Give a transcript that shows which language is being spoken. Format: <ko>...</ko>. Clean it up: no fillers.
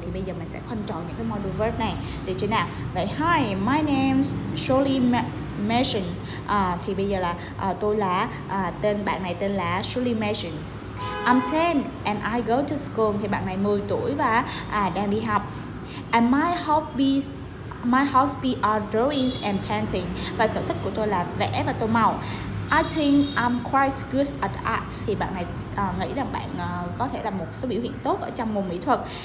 <vi>Thì bây giờ mình sẽ khoanh tròn những cái modal verb này. Được chưa nào? Vậy</vi> <en>hi, my name's Shirley Mason.</en> <vi>Thì bây giờ là tôi là tên bạn này tên là Shirley Mason.</vi> <en>I'm 10 and I go to school.</en> <vi>Thì bạn này 10 tuổi và đang đi học.</vi> <en>And my hobbies are drawings and painting.</en> <vi>Và sở thích của tôi là vẽ và tô màu.</vi> <en>I think I'm quite good at art.</en> <vi>Thì bạn này nghĩ rằng bạn có thể là một số biểu hiện tốt ở trong môn mỹ thuật.</vi>